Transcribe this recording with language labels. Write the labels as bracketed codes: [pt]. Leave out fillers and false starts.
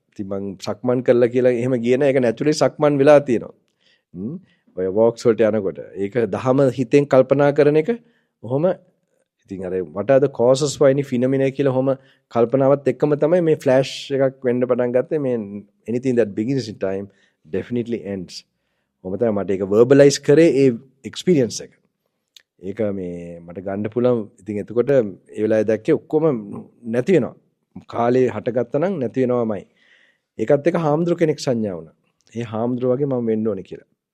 [si] ඉතින් මං සක්මන් කළා කියලා එහෙම ගියේ නැහැ. ඒක නැචරලි සක්මන් වෙලා තියෙනවා. ඔය වොක්ස් වලට යනකොට ඒක දහම හිතෙන් කල්පනා කරන එක ඔහොම. ඉතින් අර [en] what are the causes why any phenomenon [si] කියලා ඔහොම කල්පනාවත් එක්කම තමයි මේ ෆ්ලෑෂ් එකක් වෙන්න පටන් ගත්තේ. මේ [en] anything that begins in time definitely ends. [si] ඔහොම තමයි මට ඒක verbalize කරේ ඒ experience එක. ඒක මේ මට ගන්න පුළුවන්. ඉතින් එතකොට ඒ වෙලාවේ දැක්කේ ඔක්කොම නැති වෙනවා. කාලේ හටගත්තා නම් නැති වෙනවමයි. ඒකත් එක හාමුදුරු කෙනෙක් සංඥා වුණා. ඒ හාමුදුරු වගේ මම වෙන්න ඕනේ කියලා.